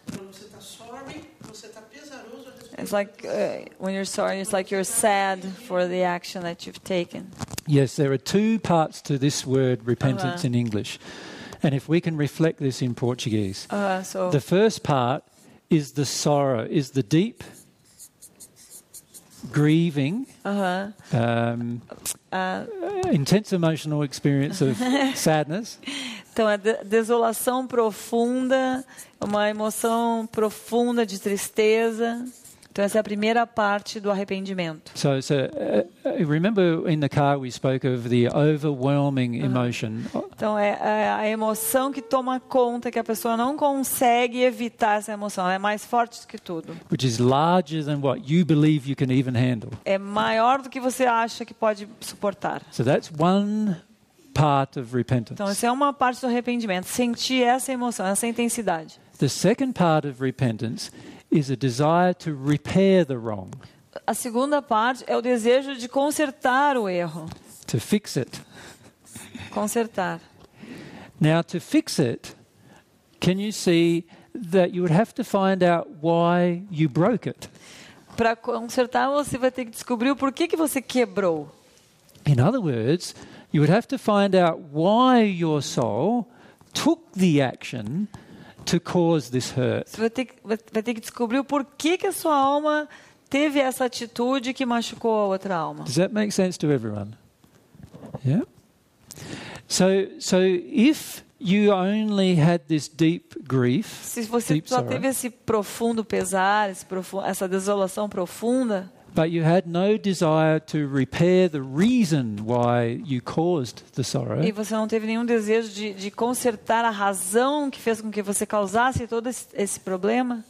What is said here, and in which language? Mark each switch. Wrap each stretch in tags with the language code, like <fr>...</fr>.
<pt>Quando você está sorry, você está pesaroso a respeito.</pt> <en>It's like when you're sorry, it's like you're sad for the action that you've taken. Yes, there are two parts to this word repentance, uh-huh, in English, and if we can reflect this in Portuguese, so the first part is the sorrow, is the deep grieving, intense emotional experience of sadness.</en> <pt>Então é desolação profunda, uma emoção profunda de tristeza. Então essa é a primeira parte do arrependimento.</pt> <en>So remember in the car we spoke of the overwhelming emotion.</en> <pt>Então é a emoção que toma conta, que a pessoa não consegue evitar essa emoção, ela é mais forte do que tudo.</pt> <en>Which is larger than what you believe you can even handle.</en> <pt>É maior do que você acha que pode suportar.</pt> <en>So that's one part of repentance.</en> <pt>Então essa é uma parte do arrependimento, sentir essa emoção, essa intensidade.</pt> <en>The second part of repentance is a desire to repair the wrong.</en> <pt>A segunda parte é o desejo de consertar o erro.</pt> <en>To fix it.</en> <pt>Consertar.</pt> <en>Now to fix it, can you see that you would have to find out why you broke it?</en> <pt>Para consertar, você vai ter que descobrir o porquê que você quebrou.</pt> <en>In other words, you would have to find out why your soul took the action to cause this hurt.</en> <pt>Você vai ter que descobrir o porquê que a sua alma teve essa atitude que machucou a outra alma.</pt> <en>Does that make sense to everyone? Yeah. So if you only had this deep grief,</en> <pt>se você</pt> <en>deep</en> <pt>só</pt> <en>sorrow,</en> <pt>teve esse profundo pesar, essa desolação profunda,</pt> <en>but you had no desire to repair the reason why you caused the sorrow.</en> <pt>E você não teve nenhum desejo de consertar a razão que fez com que você causasse todo esse problema?</pt>